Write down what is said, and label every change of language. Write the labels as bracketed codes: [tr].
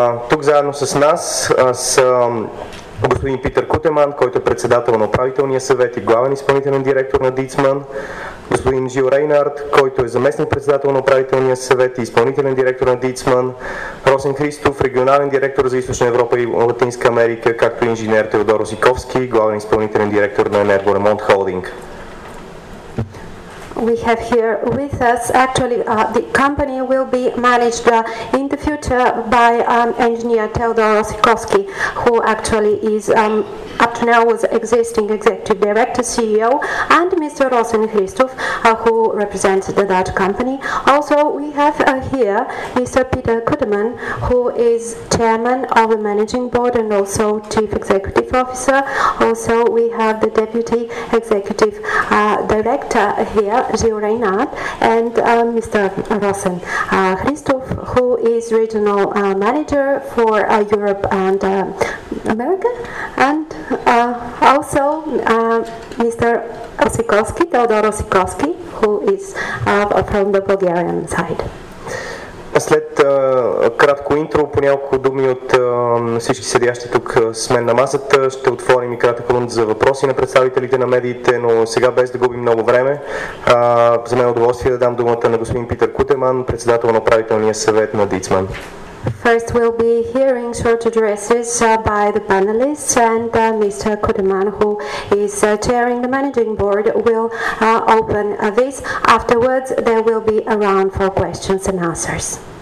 [bg] Тук заедно с нас са господин Питър Кутеман, който е председател на управителния съвет и главен изпълнителен директор на Дицман, господин Жил Рейнард, който е заместник председател на управителния съвет и изпълнителен директор на Дицман, Росен Христов, регионален директор за Източна Европа и Латинска Америка, както и инженер Теодор Осиковски, главен изпълнителен директор на Енергоремонт Холдинг. [en] We have here with us, actually the company will be managed in the future by engineer Teodor Osikovsky, who actually is up to now was existing executive director, CEO, and Mr. Rosen Christoph, who represents the Dutch company. Also, we have here Mr. Peter Kudeman, who is chairman of the managing board and also chief executive officer. Also, we have the deputy executive director here, Gio Reynard, and Mr. Rosen Christoph, who is regional manager for Europe and America, and also Mr. Osikovsky, Teodor Osikovsky, who is from the Bulgarian side. [bg] След кратко интро, по няколко думи от всички седящи тук с мен на масата, ще отворим и кратък рунд за въпроси на представителите на медиите, но сега без да губим много време, за мен е удоволствие да дам думата на господин Питър Кутеман, председател на управителния съвет на Дицман. [en] First we'll be hearing short addresses by the panelists and Mr. Kudeman, who is chairing the managing board, will open this. Afterwards there will be a round for questions and answers.